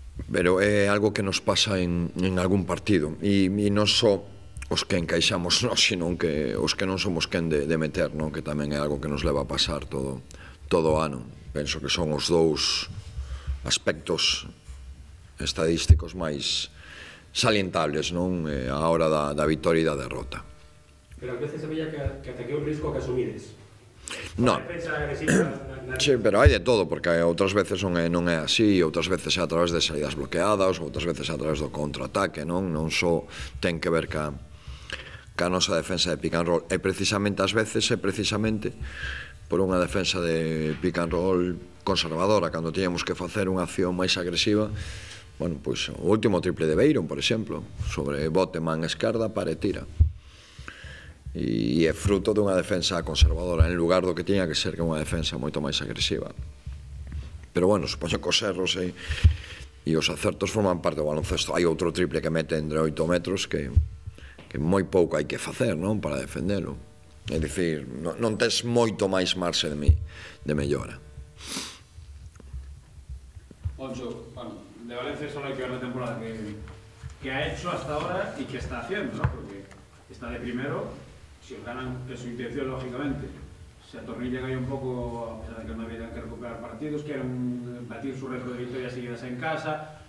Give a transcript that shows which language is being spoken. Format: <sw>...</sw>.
<gl>Pero é algo que nos pasa en algún partido e non só os que encaixamos, non, sino que os que non somos quen de meter, non? Que tamén é algo que nos leva a pasar todo o ano. Penso que son os dous aspectos estadísticos máis salientables, non? A hora da vitoria e da derrota. Pero a veces se veía que ataque un risco que asumides. Para Non. defensa agresiva na Sí, liga. pero hai de todo, porque outras veces non é así, outras veces é a través de salidas bloqueadas, outras veces é a través do contraataque, non? Non só ten que ver ca nosa defensa de pick and roll. E precisamente ás veces, é precisamente por unha defensa de pick and roll conservadora, cando tiñamos que facer unha acción máis agresiva, bueno, pois o último triple de Beiron, por exemplo, sobre bote man esquerda, pare tira. E é fruto dunha defensa conservadora, en lugar do que tiña que ser que unha defensa moito máis agresiva. Pero bueno, supoño que os erros e os acertos forman parte do baloncesto. Hai outro triple que mete entre 8 metros que moi pouco hai que facer, non, para defendelo. É dicir, non tes moito máis marxe de mellora.</gl> <es>Moncho, bueno, de Valencia solo hay que ver la temporada que ha hecho hasta ahora y que está haciendo, ¿no? Porque está de primero, si os ganan, que es su intención, lógicamente, se atornillan ahí un poco, a pesar de que no habían que recuperar partidos, quieren batir su récord de victorias seguidas en casa.</es>